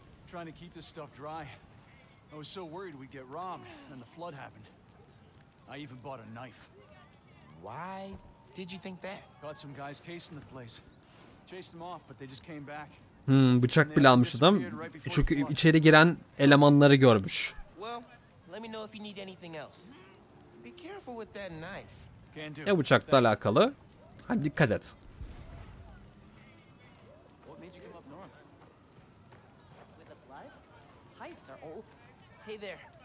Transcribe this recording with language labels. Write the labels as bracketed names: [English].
[English] Trying to keep this stuff dry. I was so worried we'd get robbed and the flood happened. I even bought a knife. Why did you think that? Got some guys casing the place. Chased them off, but they just came back. [Turkish] Hmm, bıçak bile almış adam. Çünkü içeri giren elemanları görmüş. [English] Well, let me know if you need anything else. Be careful with that knife. [Turkish] Ya bıçakla alakalı. Hadi dikkat et. [English] What made you come up north? With the blood? Pipes are old. Hey there.